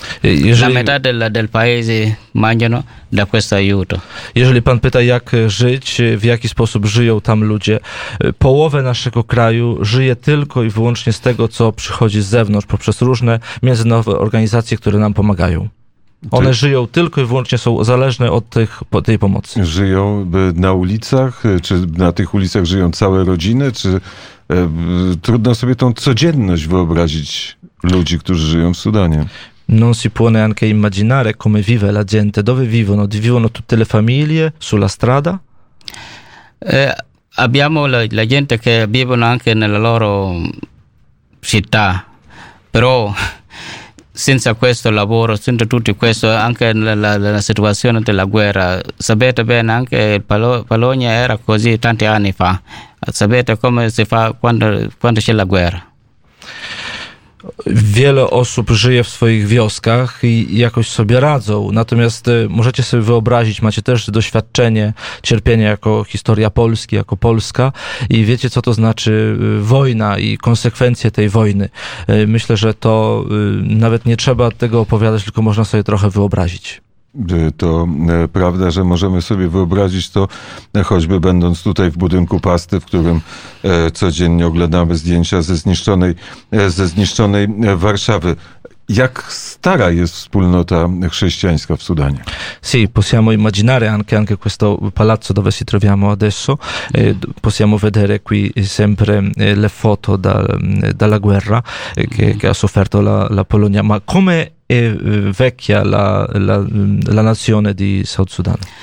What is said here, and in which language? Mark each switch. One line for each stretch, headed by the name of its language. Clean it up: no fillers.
Polish: Jeżeli,
Italian: la metà della, del paese mangiano da questo aiuto.
Polish: Jeżeli pan pyta, jak żyć, w jaki sposób żyją tam ludzie, połowę naszego kraju żyje tylko i wyłącznie z tego, co przychodzi z zewnątrz, poprzez różne międzynarodowe organizacje, które nam pomagają. One żyją tylko i wyłącznie, są zależne od tych, tej pomocy. Żyją na ulicach? Czy na tych ulicach żyją całe rodziny? Czy trudno sobie tą codzienność wyobrazić ludzi, którzy żyją w Sudanie?
Italian: Non si può neanche immaginare come vive la gente, dove vivono. Vivono tutte le famiglie sulla strada? Abbiamo la gente che vivono anche nella loro città, però senza questo lavoro, senza tutto questo, anche nella situazione della guerra, sapete bene anche Polonia era così tanti anni fa, sapete come si fa quando c'è la guerra.
Polish: Wiele osób żyje w swoich wioskach i jakoś sobie radzą, natomiast możecie sobie wyobrazić, macie też doświadczenie cierpienia jako historia Polski, jako Polska i wiecie, co to znaczy wojna i konsekwencje tej wojny. Myślę, że to nawet nie trzeba tego opowiadać, tylko można sobie trochę wyobrazić. To prawda, że możemy sobie wyobrazić to, choćby będąc tutaj w budynku Pasty, w którym codziennie oglądamy zdjęcia ze zniszczonej Warszawy. Jak stara jest wspólnota chrześcijańska w Sudanie?
Italian: Sì, possiamo immaginare anche questo palazzo dove si troviamo adesso. Possiamo vedere qui sempre le foto dalla guerra che ha sofferto la Polonia. Ma come è vecchia la nazione di Sud Sudan?